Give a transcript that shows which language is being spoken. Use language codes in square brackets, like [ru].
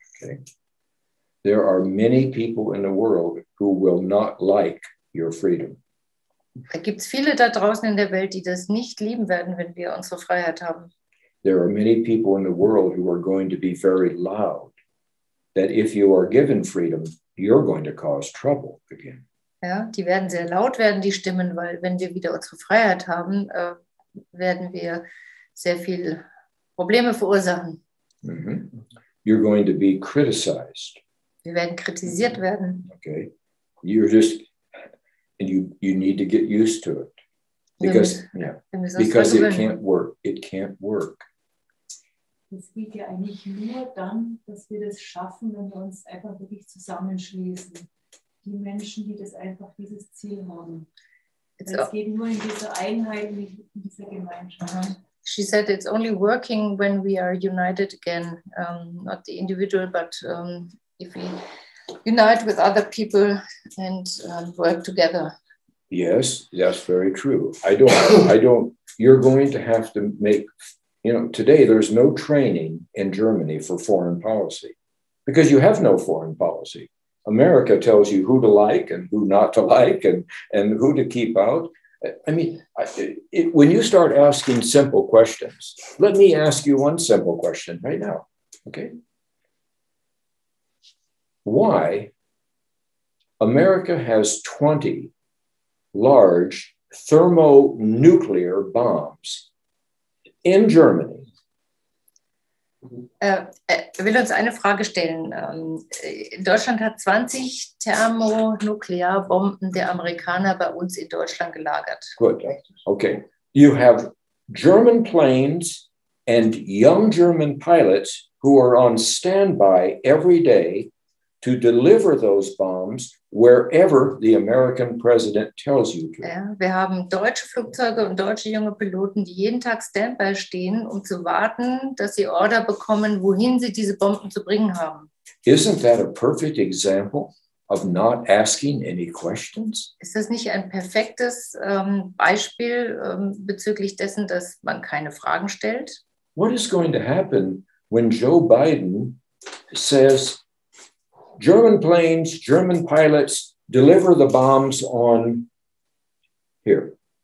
[en] Okay. There are many people in the world who will not like your freedom. [de] Da gibt's viele da draußen in der Welt, die das nicht lieben werden, wenn wir unsere Freiheit haben. [en] There are many people in the world who are going to be very loud, that if you are given freedom, you're going to cause trouble again. [de] Ja, die werden sehr laut werden, die Stimmen, weil wenn wir wieder unsere Freiheit haben, werden wir sehr viel Probleme verursachen. [en] Mm-hmm. You're going to be criticized. [de] Wir werden kritisiert werden. [en] Okay. You need to get used to it. Because it can't work. It can't work. [de] Es geht ja eigentlich nur dann, dass wir das schaffen, wenn wir uns einfach wirklich zusammenschließen. Die Menschen, die das einfach dieses Ziel haben. Es geht nur in dieser Einheit, in dieser Gemeinschaft. [en] She said it's only working when we are united again. Not the individual, but if we unite with other people and work together. Yes, that's very true. I don't, you're going to have to make, you know, today there's no training in Germany for foreign policy because you have no foreign policy. America tells you who to like and who not to like and who to keep out. I mean, when you start asking simple questions, let me ask you one simple question right now, okay? Why America has 20 large thermonuclear bombs in Germany? [de] Er will uns eine Frage stellen. Deutschland hat 20 Thermonuklearbomben der Amerikaner bei uns in Deutschland gelagert. [en] Good. Okay. You have German planes and young German pilots who are on standby every day to deliver those bombs wherever the American president tells you to. [de] Ja, wir haben deutsche Flugzeuge und deutsche junge Piloten, die jeden Tag standby stehen, um zu warten, dass sie Order bekommen, wohin sie diese Bomben zu bringen haben. [en] Isn't that a perfect example of not asking any questions? [de] Ist das nicht ein perfektes Beispiel bezüglich dessen, dass man keine Fragen stellt? [en] What is going to happen when Joe Biden says, German planes, German pilots deliver the bombs on here.